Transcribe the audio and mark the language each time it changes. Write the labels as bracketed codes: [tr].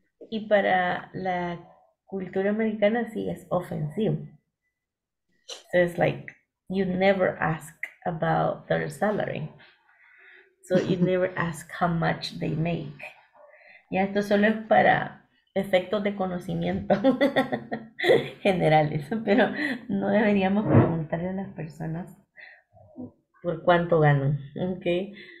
[es] Y para la cultura americana sí es ofensivo. [en] So it's like, you never ask about their salary. So you never ask how much they make. [es] Ya, esto solo es para efectos de conocimiento generales, pero no deberíamos preguntarle a las personas por cuánto ganan, okay?